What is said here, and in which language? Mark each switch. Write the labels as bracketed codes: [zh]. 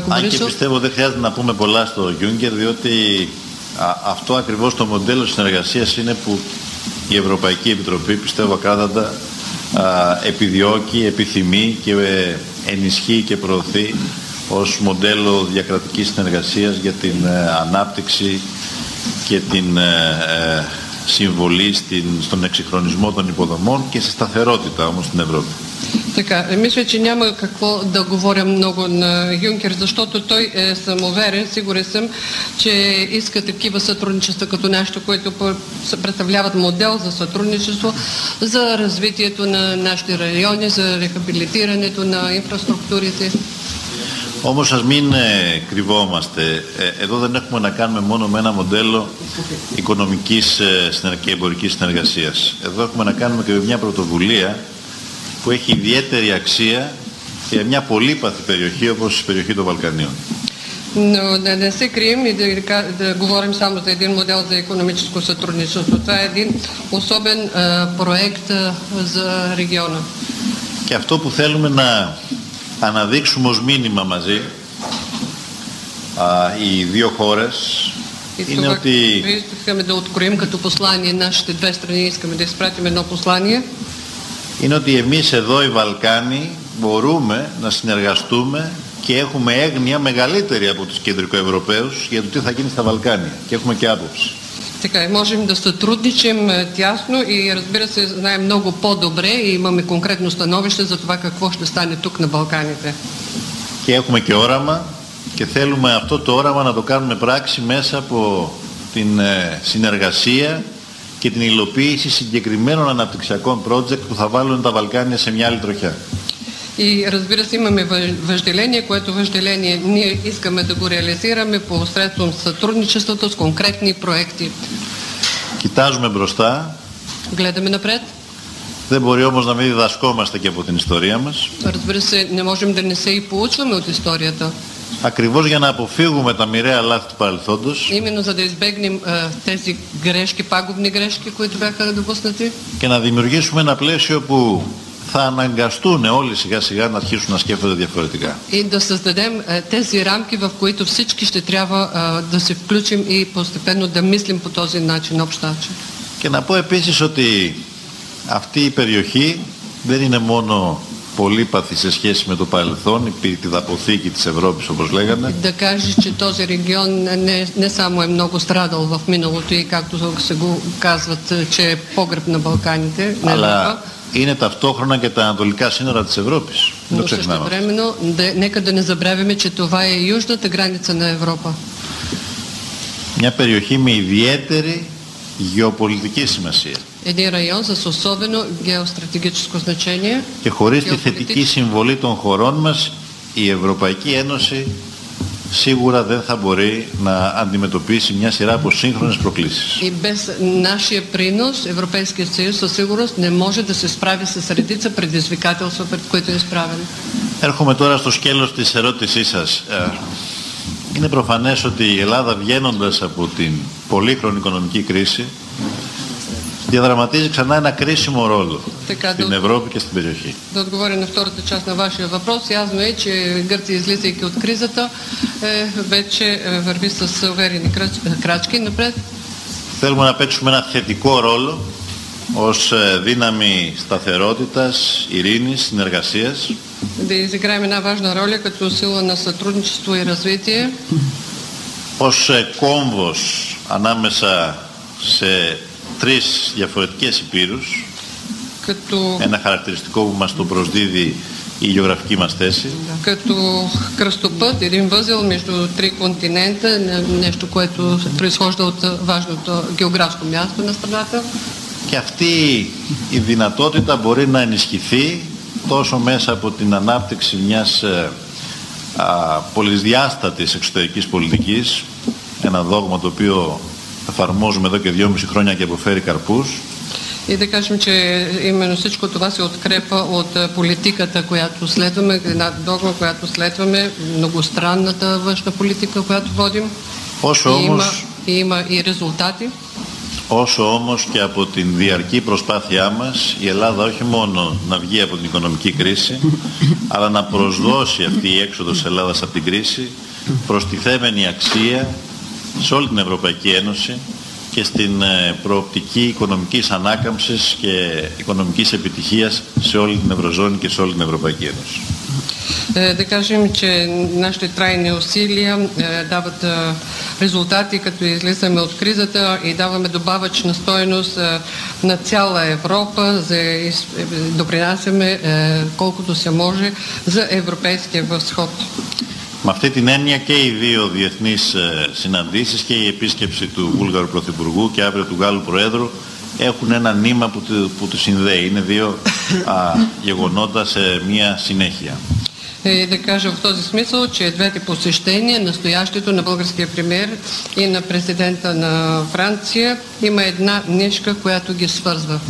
[el] πιστεύω δεν χρειάζεται να πούμε πολλά στο Γιούγκερ, διότι αυτό ακριβώς το μοντέλο συνεργασίας είναι που η Ευρωπαϊκή Επιτροπή, πιστεύω ακράδαντα, επιδιώκει, επιθυμεί και ενισχύει και προωθεί ως μοντέλο διακρατικής συνεργασίας για την ανάπτυξη και την συμβολή στον εξυγχρονισμό των υποδομών και στη σταθερότητα όμως στην Ευρώπη. [bg] Така, мисля, че няма какво да говоря много на Юнкер, защото той е самоуверен, сигурен съм, че иска такива сътрудничества като нашето, което представляват модел за сътрудничество, за развитието на нашите райони, за рехабилитирането на инфраструктурите. [el] Όμως ας μην κρυβόμαστε, εδώ δεν έχουμε να κάνουμε μόνο με ένα μοντέλο οικονομικής και εμπορικής συνεργασίας. Εδώ έχουμε να κάνουμε και με μια πρωτοβουλία που έχει ιδιαίτερη αξία για μια πολύπαθη περιοχή όπως η περιοχή των Βαλκανίων. [bg] Но да не се крием и да говорим само за един модел за икономическо сътрудничество. Това е един особен проект за региона. [el] Και αυτό που θέλουμε να αναδείξουμε ως μήνυμα μαζί οι δύο χώρες είναι ότι... [bg] Искаме да откроим като послание нашите две страни, искаме да изпратим едно послание. [el] Είναι ότι εμείς εδώ οι Βαλκάνοι μπορούμε να συνεργαστούμε και έχουμε έγνοια μεγαλύτερη από τους κεντρικοευρωπαίους για το τι θα γίνει στα Βαλκάνια και έχουμε και άποψη. [bg] Така, можем да сътрудничим тясно и разбира се знаем много по-добре и имаме конкретно становище за това какво ще стане тук на Балканите. [el] Και έχουμε και όραμα και θέλουμε αυτό το όραμα να το κάνουμε πράξη μέσα από την συνεργασία και την υλοποίηση συγκεκριμένων αναπτυξιακών project που θα βάλουν τα Βαλκάνια σε μια άλλη τροχιά. [bg] И разбира се, имаме въжделение, което въжделение ние искаме да го реализираме по средством сътрудничеството с конкретни проекти. [el] Китажме мбростта. [bg] Гледаме напред. [el] Дъ мбори омос да ми дидаскомасте ке по тен история мас. [bg] Разбира се, не можем да не се и поучваме от историята. [el] Ακριβώς για να αποφύγουμε τα μοιραία λάθη του παρελθόντος. [bg] Именно за да избегнем тези грешки, пагубни грешки, които бяха допуснати. [el] Και να δημιουργήσουμε ένα πλαίσιο που θα αναγκαστούν όλοι σιγά σιγά να αρχίσουν να σκέφτονται διαφορετικά. [bg] И да създадем тези рамки, в които всички ще трябва да се включим и постепенно да мислим по този начин, общ начин. [el] Και να πω επίσης ότι αυτή η περιοχή δεν είναι μόνο πολύπαθη σε σχέση με το παρελθόν, υπήρχε την αποθήκη της Ευρώπης, όπως λέγαμε. [bg] Да кажеш, че този регион не само е много страдал в миналото и както се го казват, че е погреб на Балканите. [el] Αλλά είναι ταυτόχρονα και τα ανατολικά σύνορα της Ευρώπης. [bg] Но същевременно, нека да не забравяме, че това е южната граница на Европа. [el] Μια περιοχή με ιδιαίτερη γεωπολιτική σημασία. [bg] Един район с особено геостратегическо значение. [el] Και χωρίς τη θετική συμβολή των χωρών μας, η Ευρωπαϊκή Ένωση σίγουρα δεν θα μπορεί να αντιμετωπίσει μια σειρά από σύγχρονες προκλήσεις. [bg] И без нашия принос, Европейския съюз със сигурност не може да се справи с редица предизвикателства, пред които е изправен. [el] Έρχομαι τώρα στο σκέλος της ερώτησής σας. Είναι προφανές ότι η Ελλάδα βγαίνοντας από την πολύχρονη οικονομική κρίση διαδραματίζει ξανά ένα κρίσιμο ρόλο στην Ευρώπη και στην περιοχή. [bg] Да отговоря на втората част на вашия въпрос. Ясно е, че Гърция, излизайки от кризата, вече върви с уверени крачки напред. [el] Θέλουμε να παίξουμε ένα θετικό ρόλο ως δύναμη σταθερότητας, ειρήνης, συνεργασίας. [bg] Да изиграем една важна роля като сила на сътрудничество и развитие. [el] Ως κόμβος ανάμεσα σε τρεις διαφορετικές υπήρους, [bg] като [el] ένα χαρακτηριστικό που μας το προσδίδει η γεωγραφική μας θέση. [bg] Като кръстопът, един възел между три континента, нещо, което произхожда от важното географско място на страната. [el] Και αυτή η δυνατότητα μπορεί να ενισχυθεί τόσο μέσα από την ανάπτυξη μιας πολυδιάστατης εξωτερικής πολιτικής, ένα δόγμα το οποίο εφαρμόζουμε εδώ και 2,5 χρόνια και αποφέρει καρπούς. [bg] И да кажем, че именно всичко това се открепа от политиката, която следваме, една догма, която следваме, многостранната външна политика, която водим. [el] Όσο όμως [bg] είμαι οι ρεζουλτάτοι. [el] Όσο όμως και από την διαρκή προσπάθειά μας, η Ελλάδα όχι μόνο να βγει από την οικονομική κρίση, αλλά να προσδώσει αυτή η έξοδος Ελλάδας από την κρίση προς τη θέμενη αξία σε όλη την Ευρωπαϊκή Ένωση και στην προοπτική οικονομικής ανάκαμψης και οικονομικής επιτυχίας σε όλη την Ευρωζώνη και σε όλη την Ευρωπαϊκή Ένωση. [bg] Да кажем, че нашите трайни усилия дават резултати, като излизаме от кризата и даваме добавъчна стойност на цяла Европа, допринасяме колкото се може за Европейския възход. [el] Με αυτή την έννοια και οι δύο διεθνείς συναντήσεις και η επίσκεψη του Βούλγαρου Πρωθυπουργού και αύριο του Γάλλου Προέδρου έχουν ένα νήμα που τους συνδέει. Είναι δύο γεγονότα σε μία συνέχεια. [bg] Да кажа в този смисъл, че двете посещения, настоящето на българския премиер и на президента на Франция, има една нишка, която ги свързва.